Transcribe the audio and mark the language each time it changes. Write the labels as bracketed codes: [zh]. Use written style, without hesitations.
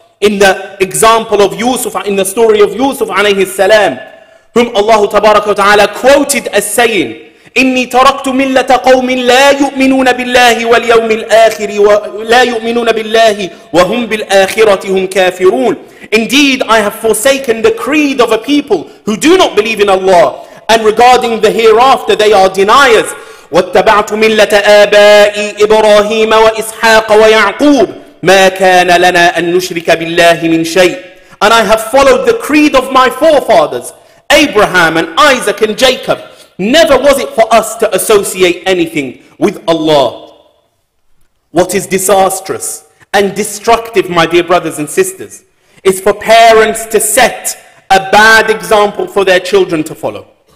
[en] In the example of Yusuf, in the story of Yusuf alayhi salam, whom Allah tabaraka wa ta'ala quoted as saying, [ar] إني تركت ملة قوم لا يؤمنون بالله واليوم الآخر ولا يؤمنون بالله وهم بالآخرة هم كافرون. [en] Indeed, I have forsaken the creed of a people who do not believe in Allah, and regarding the hereafter, they are deniers. [ar] واتبعت ملة آبائي إبراهيم وإسحاق ويعقوب ما كان لنا أن نشرك بالله من شيء. [en] And I have followed the creed of my forefathers, Abraham and Isaac and Jacob. Never was it for us to associate anything with Allah. What is disastrous and destructive, my dear brothers and sisters, is for parents to set a bad example for their children to follow.